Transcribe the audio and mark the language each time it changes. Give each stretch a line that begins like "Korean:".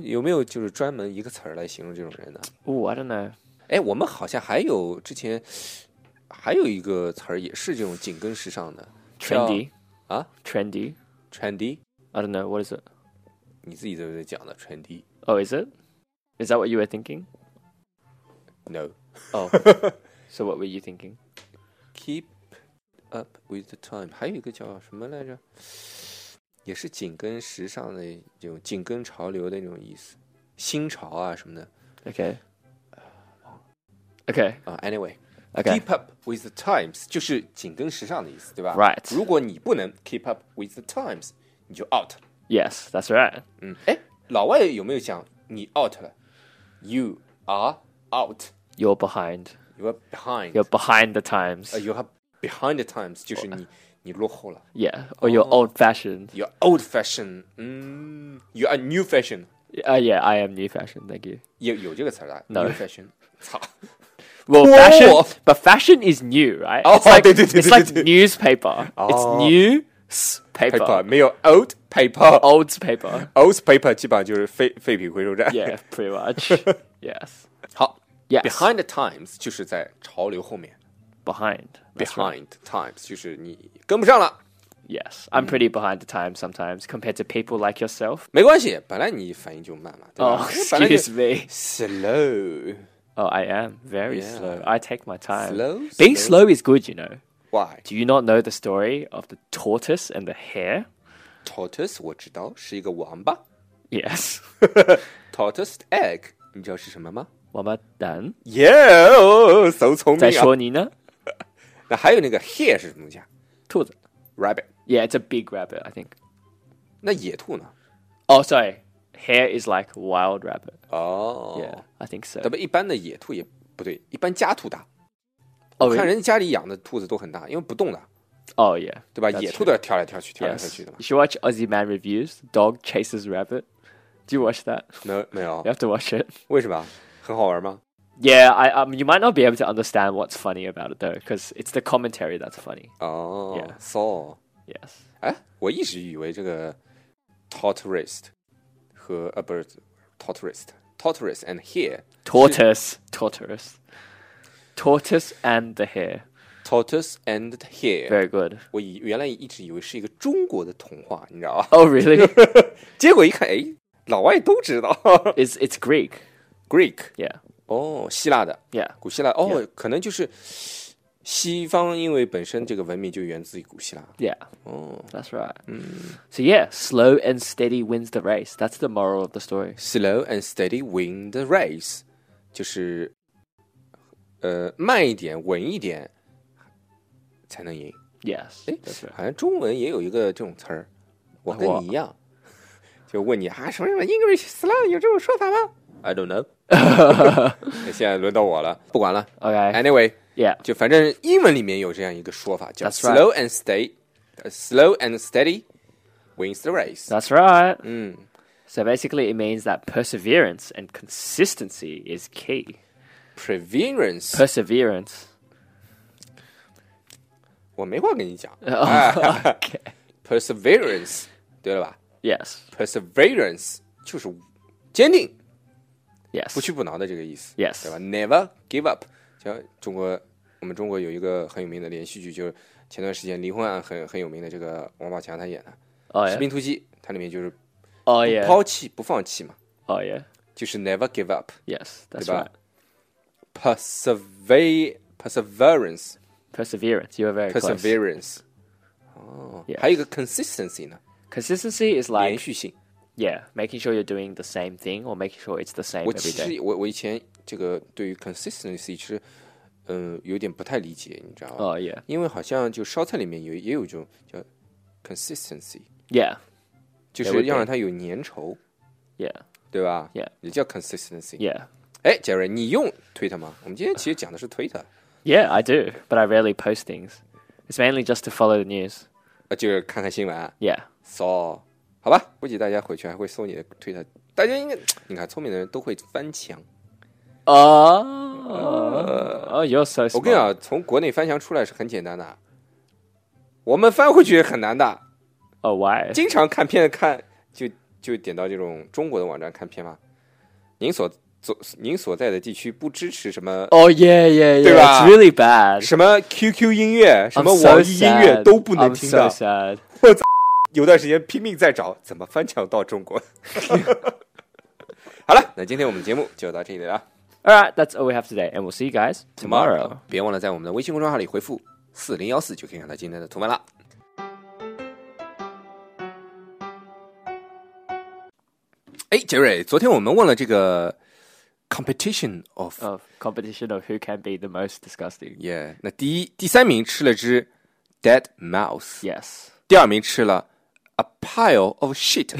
Chinese: 有没有就是专门一个词来形容这种人呢？
English: Oh, I don't know.
Chinese: 哎，我们好像还有之前还有一个词也是这种紧跟时尚的。
English: Trendy? 啊 ?Trendy? Trendy? I don't know, what is it?
Chinese: 你自己都在讲的 Trendy.
English: Oh, is it? Is that what you were thinking? No. Oh. So what were you thinking? Keep up with the time.
Chinese: 还有一个叫什么来着？也是紧跟时尚的这种紧跟潮流的那种意思，新潮啊什么的。
English: OK. Anyway. Okay. Keep up with the times
Chinese: 就是紧跟时尚的意思，对吧
English: ？Right.
Chinese: 如果你不能
English: keep up with the times,
Chinese: 你就 out.
English: Yes, that's right.
Chinese: 嗯，哎，老外有没有讲你 out 了 ？
English: You are out. You're behind. You're behind. You're behind the times. You are behind the times
Chinese: 就是你。你落后了
English: Yeah, or you're old-fashioned. You're old-fashioned.、You are new fashion. Yeah, I am new fashion. Thank you.
Chinese: 有这个词的、
English: no. New fashion. Well, fashion, but fashion is new, right? Oh, it's like,
Chinese: 对对对对
English: it's like newspaper.、 Oh, it's news paper. Paper,
Chinese: 没有
English: old paper. Old paper.
Chinese: Old paper 基本上就是废品回收站
English: Yeah, pretty much. Yes.
Chinese: 好
English: yes. Behind the times
Chinese: 就是在潮流后面
English: Behind. Behind、 right.
Chinese: times. 就是你跟不上了。
English: Yes, I'm pretty behind the times sometimes compared to people like yourself.
Chinese: 没关系，本来你反应就慢嘛，对吧？
English: Oh, excuse me. Slow. Oh, I am very、yeah. slow. I take my time. Slow? Being slow is good, you know. Why? Do you not know the story of the tortoise and the hare?
Chinese: Tortoise, 我知道，是一个王八。
English: Yes.
Chinese: Tortoise egg, 你知道是什么吗？王八蛋。 Yeah, so 聪明啊。在说你呢？那还有那个 hare 是什么东西啊？兔子
English: ，rabbit。 Yeah, it's a big rabbit, I think.
Chinese: 那野兔呢
English: ？Oh, sorry. Hare is like wild rabbit. Oh, yeah, I think so.
Chinese: 那么一般的野兔也不对，一般家兔大。
English: Oh,
Chinese: 看人家里养的兔子都很大，因为不动的。
English: Oh yeah,
Chinese: 对吧？
English: That's、
Chinese: 野兔都要跳来跳去，
English: yes.
Chinese: 跳来跳去的嘛。
English: You should watch Aussie Man Reviews. Dog chases rabbit. Do you watch that?
Chinese: No, 没有。
English: You have to watch it.
Chinese: 为什么？很好玩吗？
English: Yeah, you might not be able to understand what's funny about it, though, because it's the commentary that's funny. Oh, yeah. So. Yes. 哎，
Chinese: 我一直以为这个
English: tortoise 和 a bird tortoise and hare tortoise and the hare tortoise and the hare. Very good.
Chinese: 我原来一直以为是一个中国的童话，你知道吗
English: ？Oh, really?
Chinese: 结果一看，哎，老外都知道。
English: It's Greek. Greek. Yeah.
Chinese: 哦、oh, ，希腊的
English: ，Yeah，
Chinese: 古希腊哦，
English: oh, yeah.
Chinese: 可能就是西方，因为本身这个文明就源自于古希腊
English: ，Yeah，哦、oh. ，That's right，嗯，So yeah， slow and steady wins the race， that's the moral of the story， slow and steady win the race，
Chinese: 就是慢一点，稳一点才能赢
English: ，Yes，
Chinese: 哎，好像中文也有一个这种词儿，我跟你一样，
English: what?
Chinese: 就问你啊，什么什么 English slang 有这种说法吗？
English: I don't know.
Chinese: 现在轮到我了，不管了。
English: Okay. Anyway, yeah.
Chinese: 就反正英文里面有这样一个说法，叫
English: That's right. slow and steady. Slow and steady wins the race. That's right. 嗯。 So basically, it means that perseverance and consistency is key. Perseverance.
Chinese: 我没话跟你讲。
English: Okay.
Chinese: Perseverance. 对了吧
English: ？Yes.
Chinese: Perseverance 就是坚定。
English: Yes.
Chinese: 不屈不挠的这个意思
English: Yes.
Chinese: 对吧
English: Never give up.
Chinese: 像中国我们中国有一个很有名的连续剧，就是前段时间离婚案很有名的这个王宝强他演的 《 士兵突击》，他里面就是哦耶，抛弃不放弃嘛，哦耶，就是
English: never give up， yes， that's
Chinese: 对吧
English: perseverance， you are very close. perseverance， 哦、 yes. ，
Chinese: 还有一个 consistency 呢
English: ？consistency is like
Chinese: 连续性
English: ，yeah， making sure you're doing the same thing or making sure it's the same every day。
Chinese: 我以前这个对于 consistency 其实有点不太理解，你知道吗？
English: 哦、yeah，
Chinese: 因为好像就烧菜里面也有一种叫 consistency，
English: yeah，
Chinese: 就是要让它有粘稠，
English: yeah。
Chinese: 对吧
English: ？Yeah，
Chinese: 也叫 consistency。
English: Yeah，
Chinese: 哎 ，Jerry， 你用 Twitter 吗？我们今天其实讲的是 Twitter。
English: Yeah， I do， but I rarely post things. It's mainly just to follow the news。
Chinese: 就是看看新闻。
English: Yeah，
Chinese: 搜、so, ，好吧，估计大家回去还会搜你的 Twitter。大家应该，你看，聪明的人都会翻墙。
English: You're so smart。
Chinese: 我跟你讲，从国内翻墙出来是很简单的，我们翻回去很难的。
English: Oh， why？
Chinese: 经常看片看。就点到这种中国的网站看片吗？您所在的地区不支持什么？哦耶耶耶，对吧
English: ？It's really bad。
Chinese: 什么 QQ 音乐，什么网易音乐都不能听的。
English: I'm so sad。
Chinese: 我有段时间拼命在找怎么翻墙到中国。好了，那今天我们节目就到这里了。
English: All right, that's all we have today, and we'll see you guys tomorrow。
Chinese: 别忘了在我们的微信公众号里回复4014就可以看到今天的图文了。哎，杰瑞，昨天我们问了这个 competition of
English: who can be the most disgusting.
Chinese: Yeah, 那第三名吃了只
English: dead mouse. Yes.
Chinese: 第二名吃了
English: a pile of shit.